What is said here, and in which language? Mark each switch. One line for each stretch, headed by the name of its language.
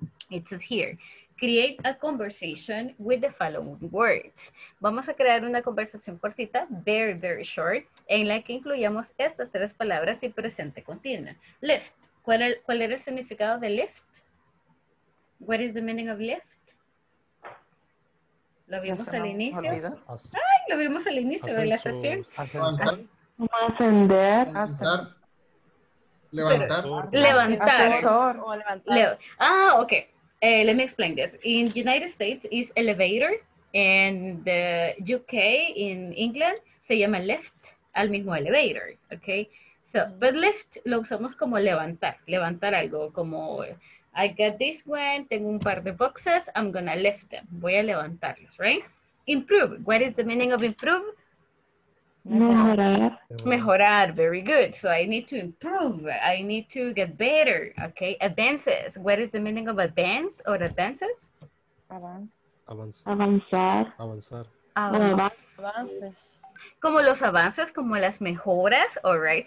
English: It says here, create a conversation with the following words.
Spanish: Vamos a crear una conversación cortita,
English: very, very short,
Spanish: en la que incluyamos estas tres palabras y presente continuo. Lift. ¿Cuál era el significado de lift?
English: What is the meaning of lift?
Spanish: Lo vimos al inicio. Ay, lo vimos al inicio de la sesión. Ascender. Levantar.
English: Levantar. Ah, okay. Let me explain this. In United States is elevator, and the UK in England
Spanish: se llama
English: lift, al mismo elevator. Okay.
Spanish: So, but lift lo usamos como levantar, levantar algo, como
English: I got this one,
Spanish: tengo un par de boxes,
English: I'm gonna lift them.
Spanish: Voy a levantarlos,
English: right? Improve. What is the meaning of improve?
Spanish: Mejorar.
English: Mejorar, very good. So I need to improve. I need to get better. Okay. Advances. What is the meaning of advance or advances?
Spanish: Avanzar. Como los avances, como las mejoras, all right.